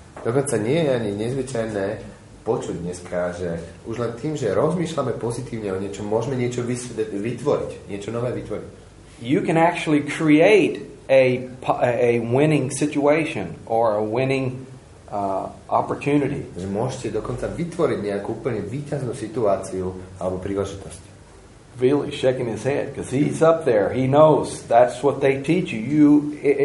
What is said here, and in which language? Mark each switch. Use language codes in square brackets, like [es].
[sk] Dokonca nie je ani nezvyčajné počuť dneska, že už len tým, že rozmýšľame pozitívne o niečom, môžeme niečo vytvoriť, niečo nové vytvoriť. [en] You can actually create a winning situation or a winning opportunity. [sk] Že môžete dokonca vytvoriť nejakú úplne víťaznú situáciu alebo príležitosť. [en] Really shaking his head because he's up there. He knows that's what they teach you.